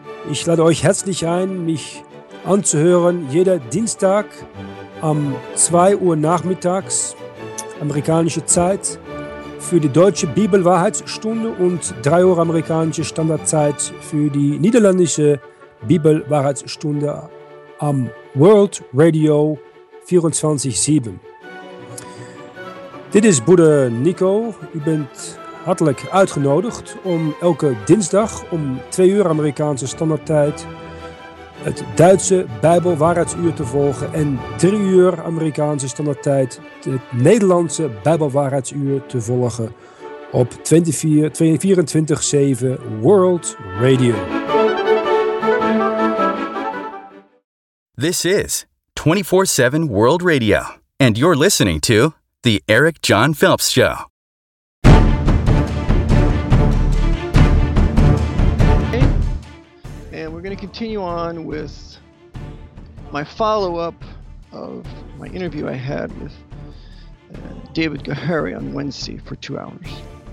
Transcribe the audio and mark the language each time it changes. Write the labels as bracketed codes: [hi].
[de] Ich lade euch herzlich ein, mich anzuhören jeder Dienstag um 2 Uhr nachmittags, amerikanische Zeit, für die deutsche Bibelwahrheitsstunde und 3 Uhr amerikanische Standardzeit für die niederländische Bibelwahrheitsstunde am World Radio 24/7. [nl] Dit is Bruder Nico. U bent hartelijk uitgenodigd om elke dinsdag om 2 uur Amerikaanse standaardtijd het Duitse Bijbelwaarheidsuur te volgen en 3 uur Amerikaanse standaardtijd het Nederlandse Bijbelwaarheidsuur te volgen op 24/7 World Radio. [en] This is 24/7 World Radio, and you're listening to The Eric John Phillips Show. And we're going to continue on with my follow-up of my interview I had with David Gahary on Wednesday for 2 hours.